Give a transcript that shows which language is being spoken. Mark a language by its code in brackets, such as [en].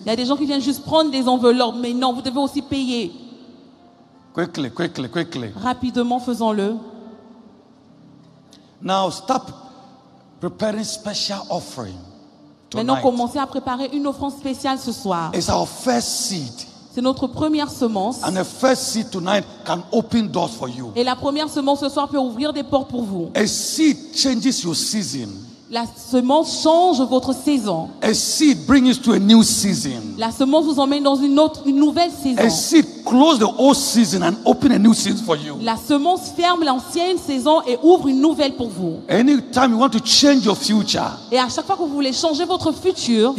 [fr] Il y a des gens qui viennent juste prendre des enveloppes, mais non, vous devez aussi payer. [en] Quickly, quickly, quickly. [fr] Rapidement, faisons-le. [en] Now stop preparing special offering tonight. [fr] Maintenant, commencez à préparer une offrande spéciale ce soir. [en] It's our first seed. [fr] C'est notre première semence. [en] And the first seed tonight can open doors for you. [fr] Et la première semence ce soir peut ouvrir des portes pour vous. [en] A seed changes your season. [fr] La semence change votre saison. [en] A seed brings us to a new season. [fr] La semence vous emmène dans une nouvelle saison. [en] A seed close the old season and open a new season for you. [fr] La semence ferme l'ancienne saison et ouvre une nouvelle pour vous. [en] Anytime you want to change your future, [fr] et à chaque fois que vous voulez changer votre futur,